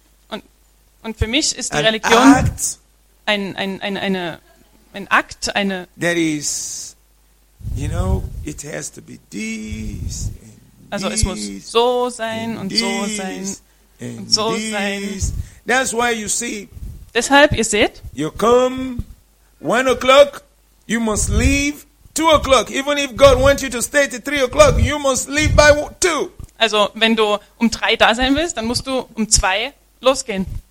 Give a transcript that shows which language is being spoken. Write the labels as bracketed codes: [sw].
[de] Und für mich ist die Religion ein Akt, eine. [en] That is, you know, it has to be this. [de] Also es muss so sein und so sein und so sein. [en] That's why you see. [de] Deshalb ihr seht. [en] You come 1 o'clock, you must leave 2 o'clock. Even if God wants you to stay till 3 o'clock, you must leave by 2. [de] Also wenn du 3 da sein willst, dann musst du 2 losgehen.